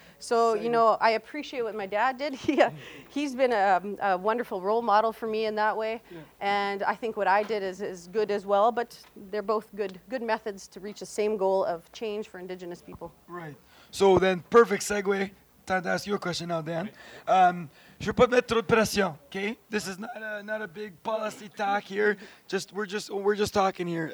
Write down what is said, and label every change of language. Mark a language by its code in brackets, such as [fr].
[en] So, you know, I appreciate what my dad did. He's been a wonderful role model for me in that way. Yeah. And I think what I did is good as well, but they're both good methods to reach the same goal of change for Indigenous people. Right. So then, perfect segue. Time to ask you a question now, Dan. [fr] Je veux pas mettre trop de pression, okay? [en] This is not a big policy talk here. We're just talking here.